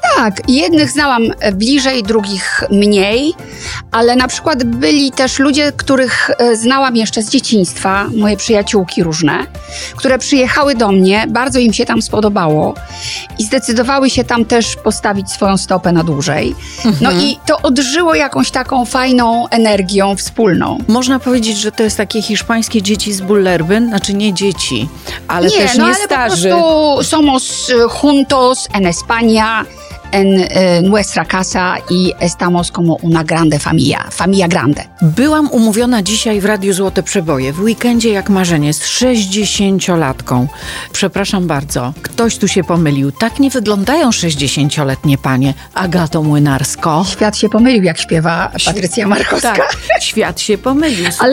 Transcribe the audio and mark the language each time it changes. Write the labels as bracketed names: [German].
[Polish] Tak, jednych znałam bliżej, drugich mniej, ale na przykład byli też ludzie, których znałam jeszcze z dzieciństwa, moje przyjaciółki różne, które przyjechały do mnie, bardzo im się tam spodobało i zdecydowały się tam też postawić swoją stopę na dłużej. No i to odżyło jakąś taką fajną energią wspólną. Można powiedzieć, że to jest takie hiszpańskie dzieci z Bullerby, znaczy nie dzieci, ale nie, też nie starzy. Nie, no ale starzy. Po prostu [Spanish] somos juntos en España. En nuestra casa y estamos como una grande familia, familia grande. [Polish] Byłam umówiona dzisiaj w Radiu Złote Przeboje, w weekendzie jak marzenie, z 60-latką. Przepraszam bardzo, ktoś tu się pomylił. Tak nie wyglądają 60-letnie panie, Agato Młynarsko. Świat się pomylił, jak śpiewa Patrycja Markowska. Tak, świat się pomylił. Słuchaj.